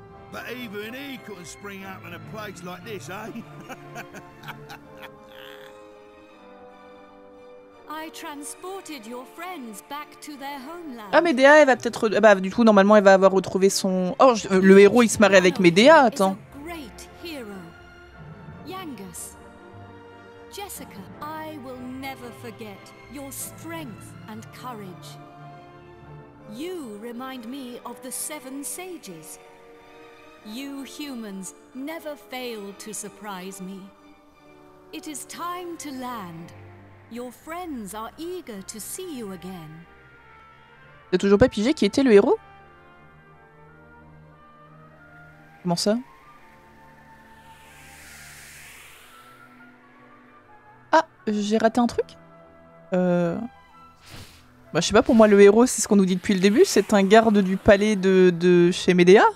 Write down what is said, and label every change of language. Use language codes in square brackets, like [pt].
[en] But even he couldn't spring up in a place like this, eh? I transported your friends back to their homeland. [fr] Ah, Medea, elle va peut-être. Bah, du coup, normalement, elle va avoir retrouvé son. Oh, le héros, il se marie avec Medea, attends. [en] Is a great hero. Yangus. Jessica, I will never forget your strength and courage. You remind me of the Seven Sages. You humans never fail to surprise me. It is time to land. Your friends are eager to see you again. [fr] T'as toujours pas pigé qui était le héros? Comment ça? Ah, j'ai raté un truc? Bah, je sais pas, pour moi, le héros, c'est ce qu'on nous dit depuis le début, c'est un garde du palais de chez Medea.